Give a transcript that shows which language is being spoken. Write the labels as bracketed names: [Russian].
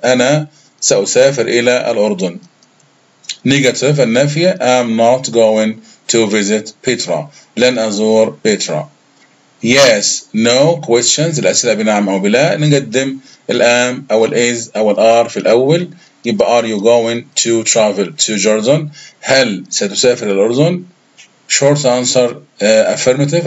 [Arabic] أنا سأسافر إلى الأردن. Negative النفي. [English] I'm not going to visit Petra. [Arabic] لن أزور بيترا. [English] Yes, no questions. [Arabic] الأسئلة بنعم أو بلا. نقدم الأم أو الإز أو الآر في الأول. [English] يبقى Are you going to travel to Jordan? [Arabic] هل ستسافر إلى الأردن؟ [English] Short answer affirmative.